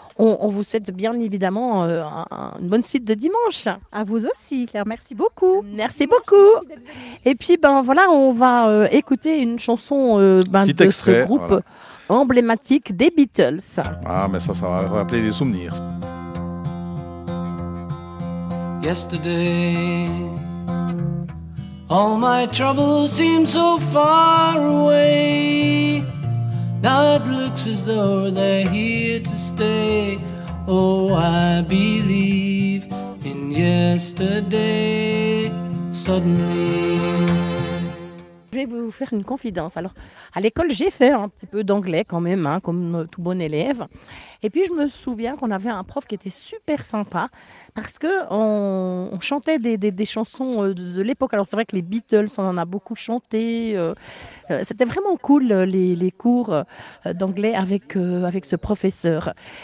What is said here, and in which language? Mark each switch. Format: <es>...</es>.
<fr>On vous souhaite bien évidemment une bonne suite de dimanche. À vous aussi Claire, merci beaucoup. Merci beaucoup. Et puis ben, voilà, on va écouter une chanson ben, petit de extrait, ce groupe voilà. Emblématique des Beatles. Ah mais ça va rappeler des souvenirs.</fr> <en>Yesterday, all my troubles seem so far away. Now it looks as though they're here to stay. Oh, I believe in yesterday. Suddenly.</en> <fr>Je vais vous faire une confidence. Alors, à l'école, j'ai fait un petit peu d'anglais quand même, hein, comme tout bon élève. Et puis, je me souviens qu'on avait un prof qui était super sympa parce qu'on chantait des chansons de l'époque. Alors, c'est vrai que les Beatles, on en a beaucoup chanté. C'était vraiment cool, les cours d'anglais avec ce professeur.</fr>